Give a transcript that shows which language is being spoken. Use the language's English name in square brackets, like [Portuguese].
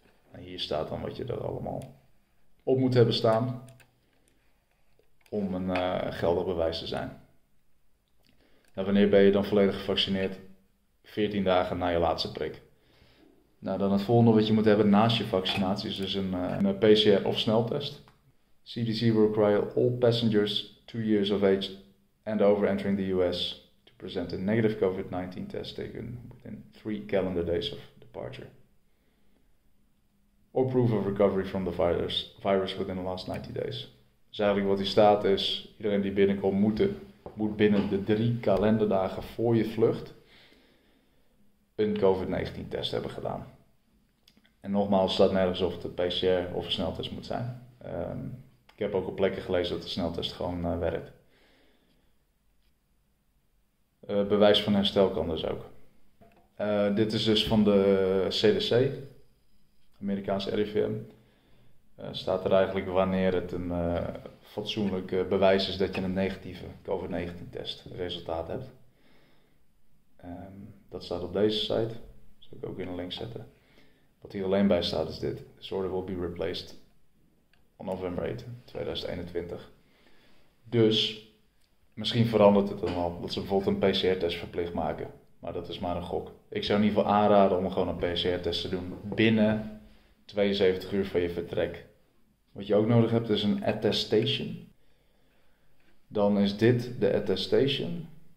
[Dutch] En hier staat dan wat je er allemaal op moet hebben staan om een geldig bewijs te zijn. En wanneer ben je dan volledig gevaccineerd? 14 dagen na je laatste prik. Nou, dan het volgende wat je moet hebben naast je vaccinatie is dus een PCR of sneltest. [English] CDC will require all passengers 2 years of age and over entering the US to present a negative COVID-19 test taken within 3 calendar days of departure. Or proof of recovery from the virus within the last 90 days. [Dutch] Dus eigenlijk wat hier staat is, iedereen die binnenkomt moet binnen de 3 kalenderdagen voor je vlucht een COVID-19 test hebben gedaan. En nogmaals, staat nergens of het een PCR of een sneltest moet zijn. Ik heb ook op plekken gelezen dat de sneltest gewoon werkt. Bewijs van herstel kan dus ook. Dit is dus van de CDC, Amerikaanse RIVM. Staat er eigenlijk wanneer het een fatsoenlijk bewijs is dat je een negatieve COVID-19 test resultaat hebt. Dat staat op deze site. Zal ik ook in een link zetten. Wat hier alleen bij staat is dit. [English] This order will be replaced on November 8, 2021. [Dutch] Dus misschien verandert het dan al dat ze bijvoorbeeld een PCR-test verplicht maken. Maar dat is maar een gok. Ik zou in ieder geval aanraden om gewoon een PCR-test te doen binnen 72 uur van je vertrek. Wat je ook nodig hebt is een attestation. Dan is dit de attestation.